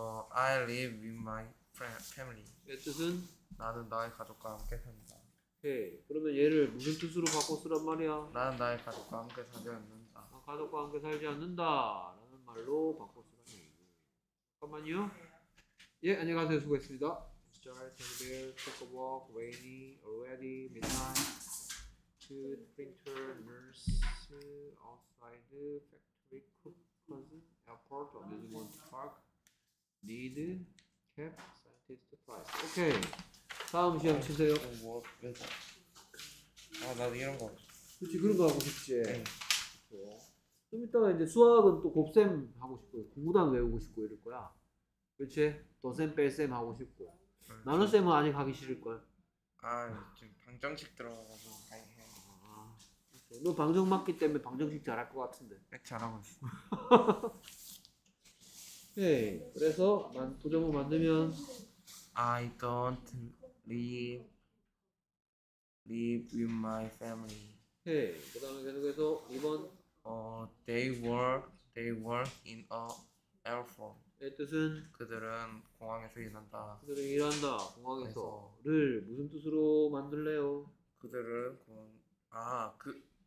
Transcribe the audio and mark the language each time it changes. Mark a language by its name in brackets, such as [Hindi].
[English] I live with my family. [Korean] 얘 뜻은? 나는 나의 가족과 함께 삽니다. 오케이. 그러면 얘를 무슨 뜻으로 바꿔 쓰란 말이야? 아, 나는 나의 가족과 함께 살지 않는다. 가족과 함께 살지 않는다 라는 말로 바꿀 수가 있는 얘기. 잠깐만요. 예, 안녕하세요. 수고했습니다. [English] Start, turn bell, took a walk, rainy, already, midnight, food, printer, nurse, outside, factory, cook, cousin, airport, amusement park, need, cap, scientist, price. [Korean] Okay. 다음 시험 치세요. 아, 나도 이런 거. 그렇지, 그런 거 하고 싶지. 좀 응. 이따가 이제 수학은 또 곱셈 하고 싶고, 구구단 외우고 싶고 이럴 거야. 그렇지? 도셈, 뺄셈 하고 싶고. 나눗셈은 아직 가기 싫을 거야. 아, 지금 방정식 들어가서 가야 해. 아, 너 방정 맞기 때문에 방정식 잘할 것 같은데. 백 잘하고 있어. 네, 그래서 도전문 만들면 [English] I don't live with my family. [Korean] 네, 그 다음에 계속해서 2번 [English] They work in a airport. [Korean] 네, 뜻은? 그들은 공항에서 일한다. 그들은 일한다, 공항에서 그래서. 를 무슨 뜻으로 만들래요? 그들은 공항... 아, 그...